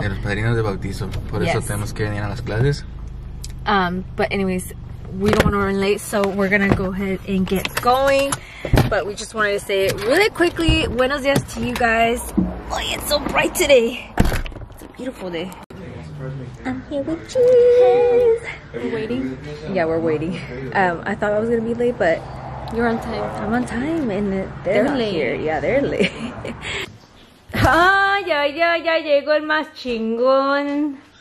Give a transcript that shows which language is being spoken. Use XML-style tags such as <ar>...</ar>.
<es>De los padrinos de bautizo, por yes. Eso tenemos que venir a las clases.</es> <en>But anyways, we don't want to run late, so we're gonna go ahead and get going. But we just wanted to say it really quickly.</en> <es>Buenos días</es> <en>to you guys. Oh, it's so bright today. It's a beautiful day. I'm here with cheese. We're waiting. Yeah, we're waiting. I thought I was gonna be late, but you're on time. I'm on time, and they're not late. Yeah, they're late.</en> <es>Ah, ya, ya, ya, llegó el más chingón.</es>